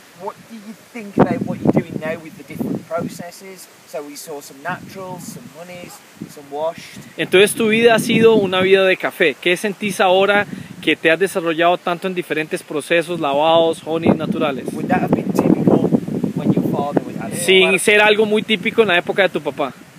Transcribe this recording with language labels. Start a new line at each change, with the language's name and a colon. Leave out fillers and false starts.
English: What do you think about what you're doing now with the different processes? So we saw some naturals, some honeys, some washed.
Spanish: Entonces tu vida ha sido una vida de café. ¿Qué sentís ahora que te has desarrollado tanto en diferentes procesos, lavados, honeys naturales?
English: Would that have been typical when your father was having
Spanish: Sin ser algo muy típico en la época de tu papá.